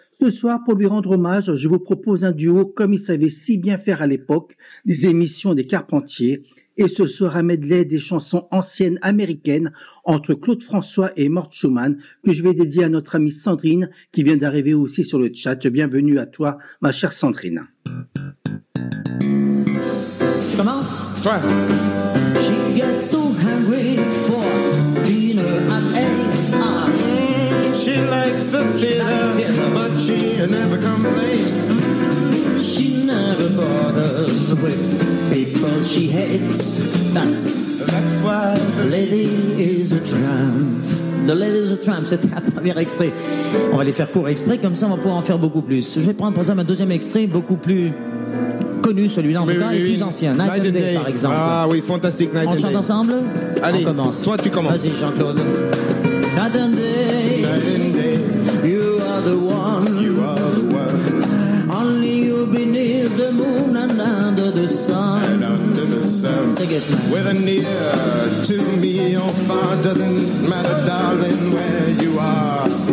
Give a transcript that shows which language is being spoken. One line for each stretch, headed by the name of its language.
French: Ce soir, pour lui rendre hommage, je vous propose un duo comme il savait si bien faire à l'époque, les émissions des Carpentiers, et ce soir un medley des chansons anciennes américaines entre Claude François et Mort Schumann, que je vais dédier à notre amie Sandrine, qui vient d'arriver aussi sur le chat. Bienvenue à toi, ma chère Sandrine. Je commence. Toi.
English: She gets too hungry for dinner at 8. She likes the theater, but she never comes late. She never bothers with people she hates. That's why the lady is a tramp.
French: The Lady of the Tramp, c'était un premier extrait. On va les faire court exprès, comme ça on va pouvoir en faire beaucoup plus. Je vais prendre par exemple un deuxième extrait, beaucoup plus connu celui-là, en tout cas, et plus ancien. Night and Day, par exemple. Ah oui, fantastique, Night and Day. On chante ensemble ? Allez, on commence. Toi tu commences. Vas-y, Jean-Claude.
English: Night and Day, you are the one. You are the one. Only you beneath the moon and under the sun. And under the sun. Sing it, man. Whether near to me or far, doesn't matter, darling, where you are.